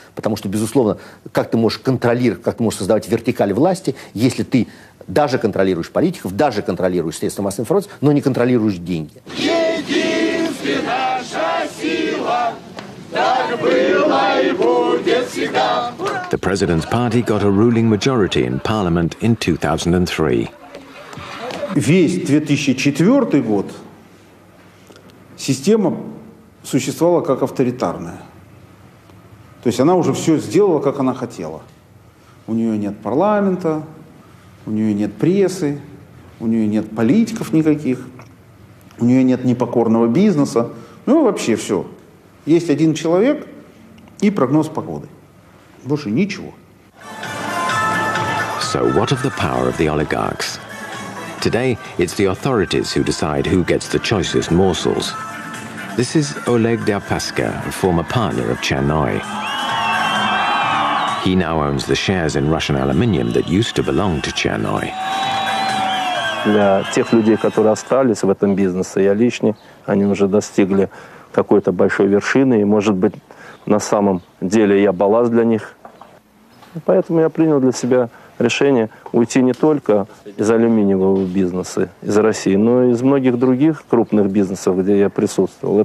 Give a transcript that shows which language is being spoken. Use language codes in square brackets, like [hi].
[ru] Потому что, безусловно, как ты можешь контролировать, как ты можешь создавать вертикаль власти, если ты даже контролируешь политиков, даже контролируешь средства массовой информации, но не контролируешь деньги. Единственная наша сила, так было и будет всегда. [en] The president's party got a ruling majority in parliament in 2003. [ru] Весь 2004 год система существовала как авторитарная. То есть она уже все сделала, как она хотела. У нее нет парламента, у нее нет прессы, у нее нет политиков никаких, у нее нет непокорного бизнеса. Ну вообще все. Есть один человек и прогноз погоды. Больше ничего. [en] So what of the power of the oligarchs? Today it's the authorities who decide who gets the choicest morsels. This is Oleg Deripaska, a former partner of Chernoy. He now owns the shares in Russian aluminium that used to belong to Chernoy. [ru] Для тех людей, которые остались в этом бизнесе, я лишний, они уже достигли какой-то большой вершины, и, может быть, на самом деле я балласт для них. Поэтому я принял для себя решение уйти не только из алюминиевого бизнеса, из России, но и из многих других крупных бизнесов, где я присутствовал.